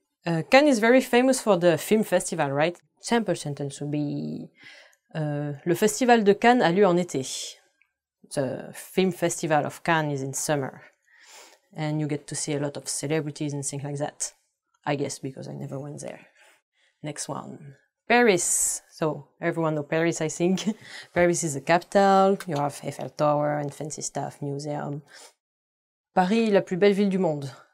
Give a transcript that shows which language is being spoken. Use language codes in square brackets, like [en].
[en] Cannes is very famous for the film festival, right? Simple sentence would be... [fr] le festival de Cannes a lieu en été. [en] The film festival of Cannes is in summer. And you get to see a lot of celebrities and things like that. I guess because I never went there. Next one. Paris. So, everyone knows Paris, I think. Paris is the capital. You have Eiffel Tower and fancy stuff, museum. Paris, [fr] la plus belle ville du monde.